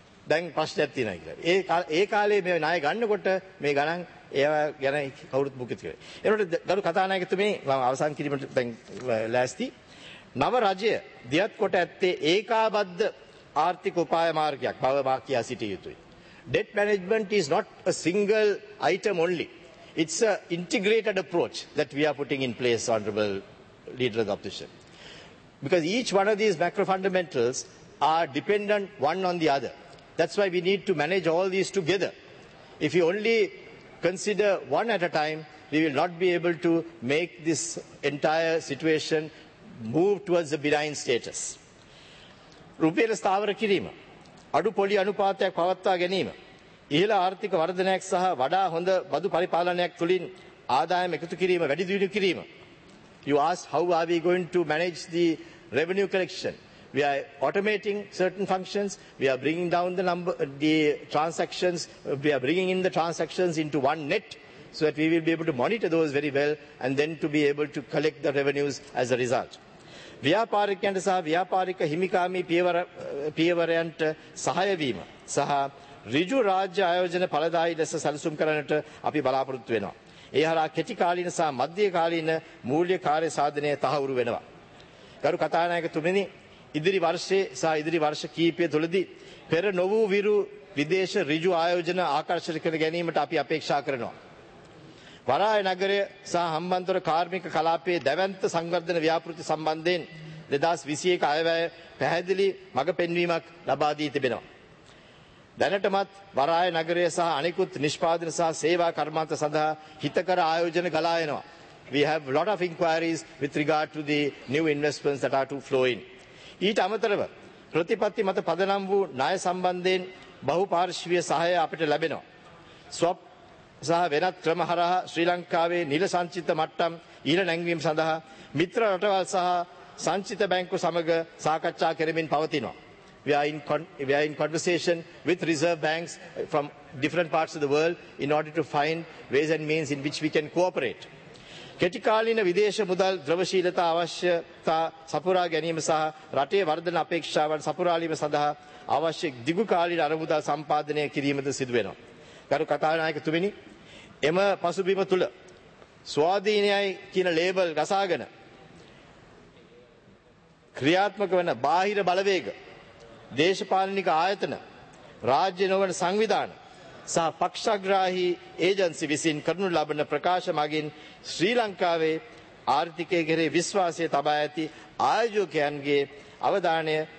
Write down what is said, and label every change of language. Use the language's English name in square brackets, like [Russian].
[Sinhala] දැන් ප්‍රශ්නයක් තියෙනවා කියලා. ඒ කාලේ මේ ණය ගන්නකොට මේ ගණන් ඒවා ගැන කවුරුත් මුකුත් කිව්වේ. ඒනොට ගරු කතානායකතුමනි, මම අවසන් කිරීමට දැන් ලෑස්ති. නව රජය දියත් කොට ඇත්තේ ඒකාබද්ධ ආර්ථික උපාය මාර්ගයක් බව මා කියා සිටිය යුතුයි. [English] Debt management is not a single item only. It's a integrated approach that we are putting in place, honorable leader of the opposition. Because each one of these macro fundamentals are dependent one on the other. That's why we need to manage all these together. If you only consider one at a time, we will not be able to make this entire situation move towards a benign status. [Sinhala] රුපියල ස්ථාවර කිරීම, අඩු පොලි අනුපාතයක් පවත්වා ගැනීම, ඉහළ ආර්ථික වර්ධනයක් සහ වඩා හොඳ බදු පරිපාලනයක් තුළින් ආදායම එකතු කිරීම, වැඩි දියුණු කිරීම. [English] You ask, how are we going to manage the revenue collection? We are automating certain functions. We are bringing down the transactions. We are bringing in the transactions into one net so that we will be able to monitor those very well and then to be able to collect the revenues as a result. [Sinhala] ව්‍යාපාරිකයන්ට සහ ව්‍යාපාරික හිමිකාමී පියවරයන්ට සහාය වීම සහ ඍජු රාජ්‍ය ආයෝජන ඵලදායී ලෙස සැලසුම් කරන්නට අපි බලාපොරොත්තු වෙනවා. ඒ හරහා කෙටි කාලීන සහ මධ්‍ය කාලීන මූල්‍ය කාර්ය සාධනය තහවුරු වෙනවා. ගරු කතානායකතුමනි, ඉදිරි වර්ෂයේ සහ ඉදිරි වර්ෂ කීපය තුළදී පෙර නොවූ විරු විදේශ ඍජු ආයෝජන ආකර්ෂණය කර ගැනීමට අපි අපේක්ෂා කරනවා. වරාය නගරය සහ හම්බන්තොට කාර්මික කලාපයේ දැවැන්ත සංවර්ධන ව්‍යාපෘති සම්බන්ධයෙන් 2021 අයවැය පැහැදිලි මඟ පෙන්වීමක් ලබා දී තිබෙනවා. දැනටමත් වරාය නගරය සහ අනිකුත් නිෂ්පාදන සහ සේවා කර්මාන්ත සඳහා හිතකර ආයෝජන ගලා එනවා. [English] We have lot of inquiries with regard to the new investments that are to flow in. [Sinhala] ඊට අමතරව ප්‍රතිපත්ති මත පදනම් වූ ණය සම්බන්ධයෙන් බහුපාර්ශ්වීය සහය අපිට ලැබෙනවා. ස්වප් සහ වෙනත් ක්‍රම හරහා ශ්‍රී ලංකාවේ නිල සංචිත මට්ටම් ඊළ නැංවීම සඳහා මිත්‍ර රටවල් සහ සංචිත බැංකු සමග සාකච්ඡා කරමින් පවතිනවා. [English] We are in conversation with reserve banks from different parts of the world in order to find ways and means in which we can cooperate. [Sinhala] කෙටි කාලීන විදේශ මුදල් ද්‍රවශීලතා අවශ්‍යතා සපුරා ගැනීම සහ රටේ වර්ධන අපේක්ෂාවන් සපුරාලීම සඳහා අවශ්‍ය දිගු කාලීන අරමුදල් සම්පාදනය කිරීමද සිදුවෙනවා. ගරු කතානායකතුමනි, එම පසුබිම තුළ ස්වාධීනයයි කියන ලේබල් ගසාගෙන ක්‍රියාත්මක වන බාහිර බලවේග, දේශපාලනික ආයතන, රාජ්‍ය නොවන සංවිධාන සහ පක්ෂග්‍රාහී ඒජන්සි විසින් කරනු ලබන ප්‍රකාශ මගින් ශ්‍රී ලංකාවේ ආර්ථිකය කෙරෙහි විශ්වාසය තබා ඇති ආයෝජකයන්ගේ අවධානය